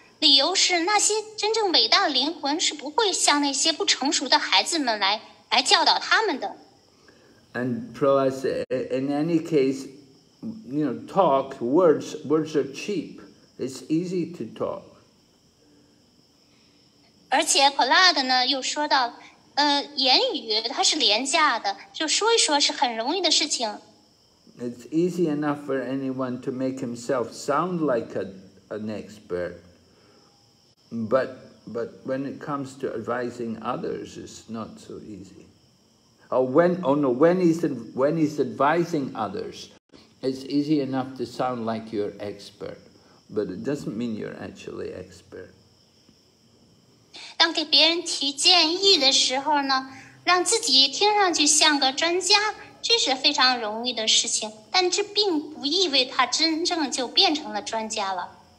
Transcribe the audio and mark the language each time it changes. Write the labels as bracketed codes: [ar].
[zh] 理由是那些真正伟大的灵魂是不会向那些不成熟的孩子们来教导他们的。And [en] Prahlad said, in any case, you know, words are cheap. It's easy to talk. [zh] 而且 Prahlad 呢又说到，言语它是廉价的，就说一说是很容易的事情。 [en] It's easy enough for anyone to make himself sound like an expert, but when it comes to advising others, it's not so easy. When he's advising others, it's easy enough to sound like you're expert, but it doesn't mean you're actually expert. [zh] 当给别人提建议的时候呢，让自己听上去像个专家。这是非常容易的事情，但这并不意味他真正就变成了专家了。